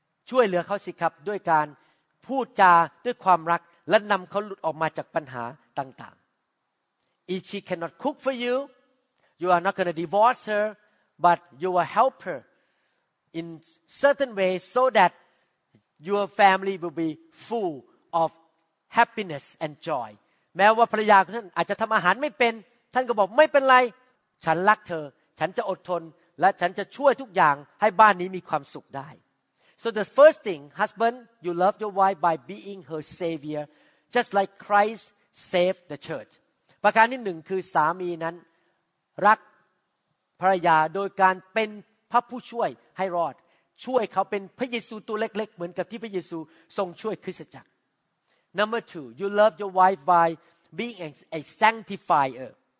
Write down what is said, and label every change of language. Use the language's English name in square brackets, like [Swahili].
[Thai] ช่วยเหลือเขาสิครับด้วยการพูดจาด้วยความรักและนำเขาหลุดออกมาจากปัญหาต่างๆ [English] If she cannot cook for you, you are not going to divorce her, but you will help her in certain ways so that your family will be full of happiness and joy. [Thai] แม้ว่าภรรยาของท่านอาจจะทำอาหารไม่เป็นท่านก็บอกไม่เป็นไรฉันรักเธอฉันจะอดทนและฉันจะช่วยทุกอย่างให้บ้านนี้มีความสุขได้ [English] So the first thing, husband, you love your wife by being her savior, just like Christ saved the church. [Thai] ประการที่หนึ่งคือสามีนั้นรักภรรยาโดยการเป็นพระผู้ช่วยให้รอดช่วยเขาเป็นพระเยซูตัวเล็กๆเหมือนกับที่พระเยซูทรงช่วยคริสตจักร [English] Number two, you love your wife by being a sanctifier.